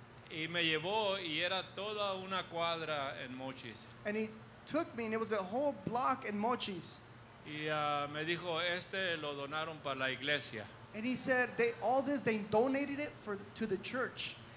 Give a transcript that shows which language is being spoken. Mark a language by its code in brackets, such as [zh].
[es] Y me llevó y era toda una cuadra en Mochis. [en] And he took me and it was a whole block in Mochis. [es] Y me dijo, "Este lo donaron para la iglesia." [en] And he said, they donated it to the church.